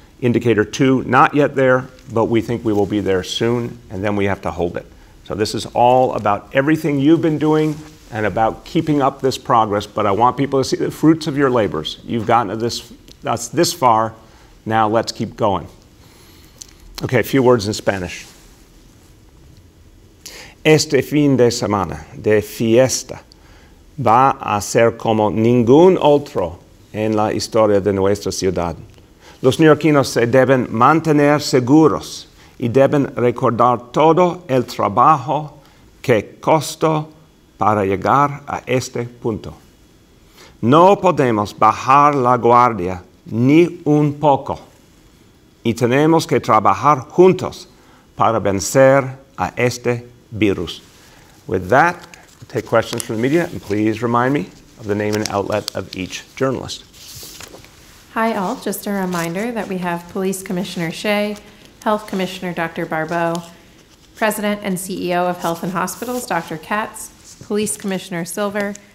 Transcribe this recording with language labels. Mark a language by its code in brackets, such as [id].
[en] Indicator two, not yet there, but we think we will be there soon, and then we have to hold it. So this is all about everything you've been doing and about keeping up this progress, but I want people to see the fruits of your labors. You've gotten us this far, now let's keep going. Okay, a few words in Spanish. [es] Este fin de semana de fiesta va a ser como ningún otro en la historia de nuestra ciudad. Los neoyorquinos se deben mantener seguros y deben recordar todo el trabajo que costó para llegar a este punto. No podemos bajar la guardia ni un poco y tenemos que trabajar juntos para vencer a este virus. [en] With that, I'll take questions from the media, and please remind me of the name and outlet of each journalist. Hi, all. Just a reminder that we have Police Commissioner Shea, Health Commissioner Dr. Barbeau, President and CEO of Health and Hospitals, Dr. Katz, Police Commissioner Silver,